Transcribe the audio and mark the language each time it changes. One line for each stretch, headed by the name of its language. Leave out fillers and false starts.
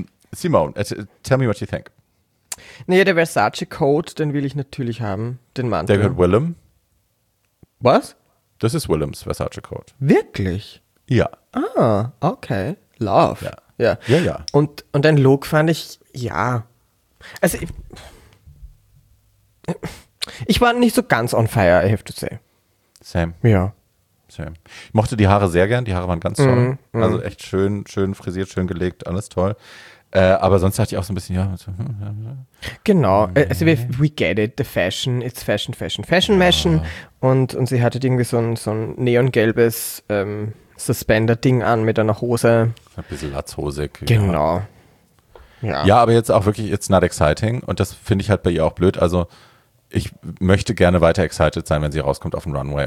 English: Simone, tell me what you think.
German: Nee, der Versace-Code, den will ich natürlich haben, den Mantel. Der gehört Willem. Was? Das ist Willems Versace-Code. Wirklich? Ja.
English: Ah, okay. Love.
German: Ja, ja. Ja, ja. Und dein Look fand ich, ja. Also, ich war nicht so ganz on fire,
English: I have to say. Same.
German: Ja.
English: Same.
German: Ich mochte die Haare sehr gern, die Haare waren ganz toll. Mm-hmm. Also echt schön, schön frisiert, schön gelegt, alles toll. Aber sonst dachte ich auch so ein bisschen, ja. Genau, also
English: we get it, the fashion, it's fashion, fashion, fashion, fashion.
German: Ja. Und sie hatte irgendwie so ein neongelbes Suspender-Ding an mit einer Hose. Ein bisschen latzhosig. Genau. Ja. Ja, aber jetzt auch wirklich,
English: it's not exciting.
German: Und das finde ich halt bei ihr auch blöd. Also ich möchte gerne weiter excited sein, wenn sie rauskommt auf den Runway.